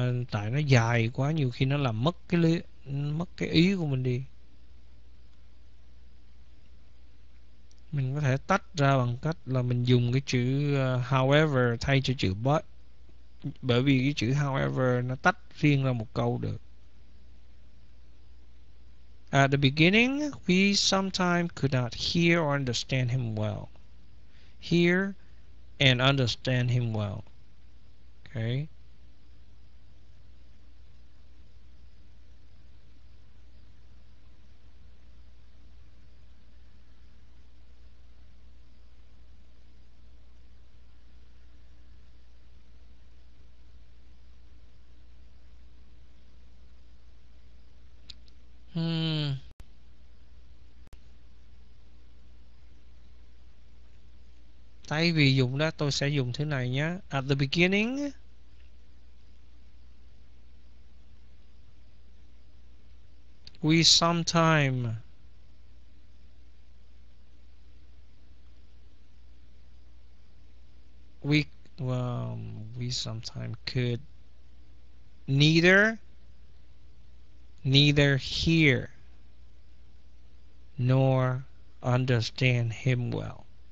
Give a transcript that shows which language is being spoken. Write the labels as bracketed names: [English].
[Vietnamese] Tại nó dài quá, nhiều khi nó làm mất cái lý, mất cái ý của mình đi. Mình có thể tách ra bằng cách là mình dùng cái chữ however thay cho chữ but. Bởi vì cái chữ however nó tách riêng ra một câu được. [English] At the beginning, we sometimes could not hear or understand him well. Hear and understand him well. Okay. [Vietnamese] Thay vì dùng đó tôi sẽ dùng thế này nhé. [English] At the beginning, we sometime we we sometime could neither hear nor understand him well.